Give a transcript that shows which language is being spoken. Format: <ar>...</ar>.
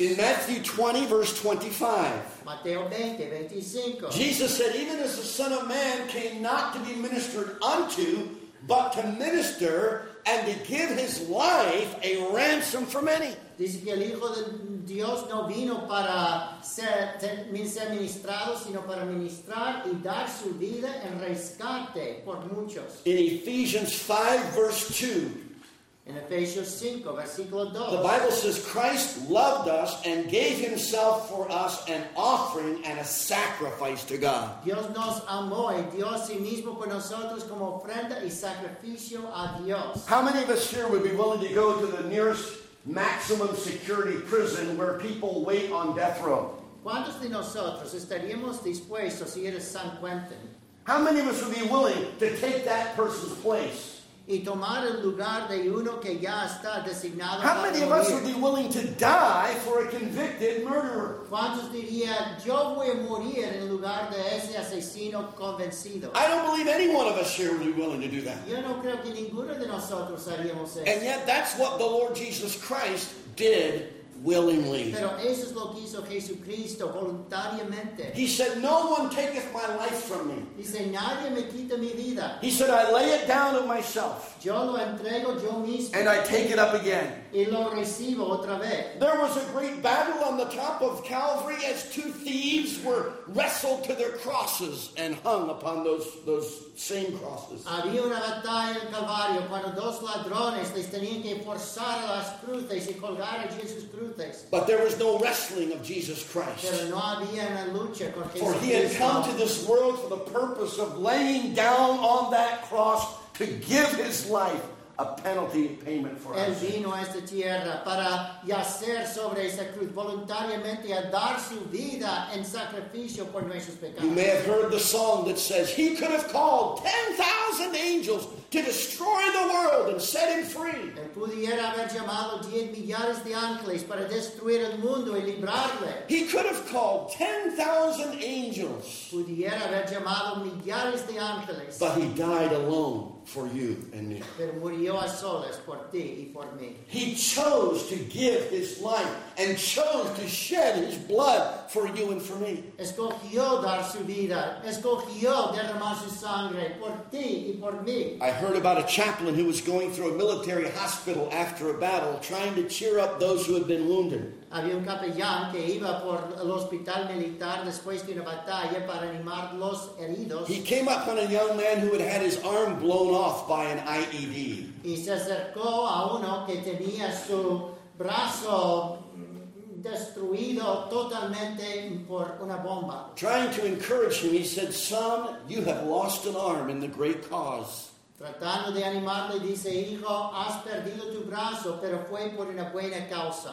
<en>In Matthew 20, verse 25.</en> <es>Mateo 20, 25.</es> <en>Jesus said, even as the Son of Man came not to be ministered unto, but to minister and to give his life a ransom for many.</en> <es>Dice que el Hijo de Dios no vino para ser ministrado, sino para ministrar y dar su vida en rescate por muchos.</es> <en>In Ephesians 5, verse 2. In Ephesians 5,</en> <es>versículo 2.</es> <en>The Bible says, Christ loved us and gave himself for us an offering and a sacrifice to God.</en> <es>Dios nos amó y dio a sí mismo por nosotros como ofrenda y sacrificio a Dios.</es> <en>How many of us here would be willing to go to the nearest maximum security prison where people wait on death row?</en> <es>¿Cuántos de nosotros estaríamos dispuestos a ir a San Quentin?</es> <en>How many of us would be willing to take that person's place?</en> <es>y tomar el lugar de uno que ya está designado.</es> <en>How many of us would be willing to die for a convicted murderer?</en> <es>¿Cuántos dirían, yo voy a morir en lugar de ese asesino convencido?</es> <en>I don't believe any one of us here would be willing to do that.</en> <es>Yo no creo que ninguno de nosotros haríamos eso.</es> <en>And yet that's what the Lord Jesus Christ did willingly.</en> <es>Pero eso es lo que hizo Jesucristo voluntariamente.</es> <en>He said, no one taketh my life from me. He said,</en> <es>nadie me quita mi vida.</es> <en>He said, I lay it down of myself.</en> <es>Yo lo entrego yo mismo.</es> <en>And I take it up again.</en> <es>Y lo recibo otra vez.</es> <en>There was a great battle on the top of Calvary as two thieves were wrestled to their crosses and hung upon those same crosses.</en> <es>Había una batalla en Calvario cuando dos ladrones les tenían que forzar las cruces y colgar a Jesús.</es> <en>But there was no wrestling of Jesus Christ.</en> <es>No había una lucha con Jesús.</es> <en>For he had come to this world for the purpose of laying down on that cross to give his life a penalty payment for us.</en> <es>Vino a esta tierra para yacer sobre esa cruz voluntariamente a dar su vida en sacrificio por nuestros pecados.</es> <en>You may have heard the song that says he could have called 10,000 angels to destroy the world and set him free.</en> <es>Él pudiera haber llamado 10 millares de ángeles para destruir el mundo y librarle.</es> <en>He could have called 10,000 angels.</en> <es>Pudiera haber llamado millares de ángeles.</es> <en>But he died alone for you and me.</en> <es>Pero murió a solas por ti y por mí.</es> <en>He chose to give his life and chose to shed his blood for you and for me.</en> <es>Escogió dar su vida. Escogió derramar su sangre por ti y por mí.</es> <en>I heard about a chaplain who was going through a military hospital after a battle trying to cheer up those who had been wounded.</en> <es>Había un capellán que iba por el hospital militar después de una batalla para animar los heridos.</es> <en>He came up on a young man who had had his arm blown off by an IED.</en> <es>Y se acercó a uno que tenía su brazo destruido totalmente por una bomba.</es> <en>Trying to encourage him, he said, "Son, you have lost an arm in the great cause."</en> <es>Tratando de animarle, dice, hijo, has perdido tu brazo, pero fue por una buena causa.</es>